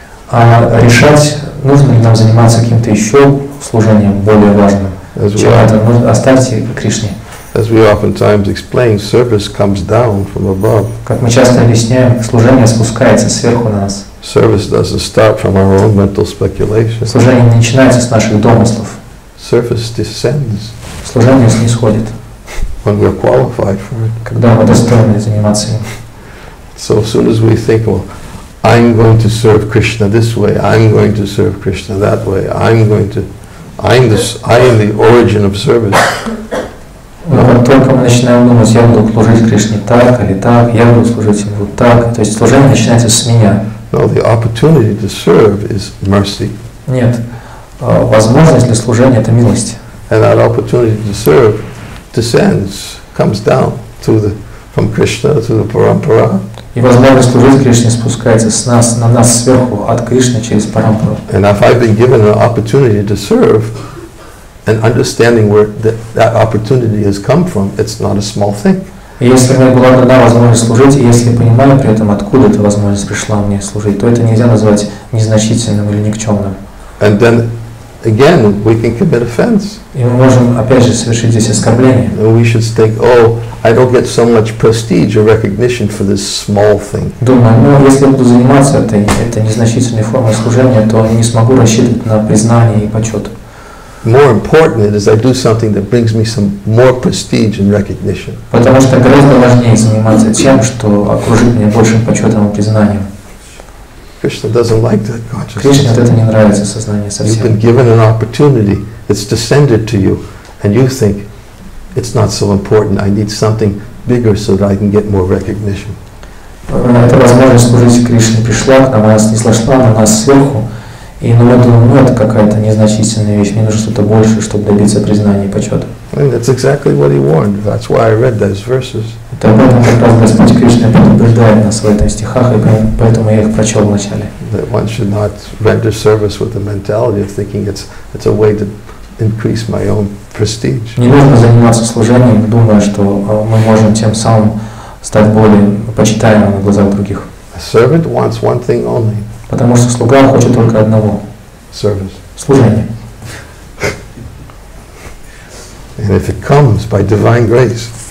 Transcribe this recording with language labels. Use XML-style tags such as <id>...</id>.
<ru>А решать, нужно ли нам заниматься каким-то еще служением более важным.</ru> <en>As we oftentimes explain, service comes down from above.</en> <ru>Как мы часто объясняем, служение спускается сверху на нас.</ru> <en>Service doesn't start from our own mental speculation.</en> <ru>Служение не начинается с наших домыслов.</ru> <en>Service descends.</en> <ru>Служение снисходит.</ru> <en>When we're qualified for it.</en> <ru>Когда мы достойны заниматься им.</ru> <en>So as soon as we think, well, I'm going to serve Krishna this way, I'm going to serve Krishna that way, I am the origin of service.</en> <ru>Только мы начинаем думать, я буду служить Кришне так или так, я буду служить ему вот так. То есть служение начинается с меня.</ru> <en>No, the opportunity to serve is mercy.</en> <ru>Нет. Возможность для служения — это милость.</ru> <en>And that opportunity to serve descends, comes down to the from Krishna to the Parampara.</en> <ru>И возможность служить Кришне спускается с нас, на нас сверху, от Кришны через Парампару.</ru> <en>And if I've been given an opportunity to serve, and understanding where that opportunity has come from, it's not a small thing.</en> <ru>Если мне была дана возможность служить, и если понимаю при этом, откуда эта возможность пришла мне служить, то это нельзя назвать незначительным или никчемным.</ru> <en>And then, again, we can commit offense.</en> <ru>И мы можем опять же совершить здесь оскорбление.</ru> <en>We should think, oh, I don't get so much prestige or recognition for this small thing.</en> <ru>Думаю, ну если буду заниматься этой незначительной формой служения, то не смогу рассчитывать на признание и почет.</ru> <en>More important it is I do something that brings me some more prestige and recognition.</en> <ru>Потому что гораздо важнее заниматься тем, что окружит меня большим почетом и признанием.</ru> <en>Krishna doesn't like that consciousness.</en> <ru>Кришне это не нравится сознание совсем.</ru> <en>You've been given an opportunity, it's descended to you, and you think it's not so important. I need something bigger so that I can get more recognition.</en> <ru>Эта возможность служить Кришне пришла к нам, она снизошла на нас сверху. И ну я думаю, ну это какая-то незначительная вещь, мне нужно что-то большее, чтобы добиться признания и почета.</ru> <en>That's exactly what he warned. That's why I read those verses.</en> <ru>Это об этом как раз Господь Кришна предупреждает нас в этом стихах, и поэтому я их прочел вначале.</ru> <en>That one should not render service with the mentality of thinking it's a way to increase my own prestige.</en> <ru>Не нужно заниматься служением, думая, что мы можем тем самым стать более почитаемым на глазах других.</ru> <en>A servant wants one thing only.</en> <ru>Потому что слуга хочет только одного.</ru> <en>Service.</en> <ru>Служение.</ru> <en>And if it comes by divine grace.</en>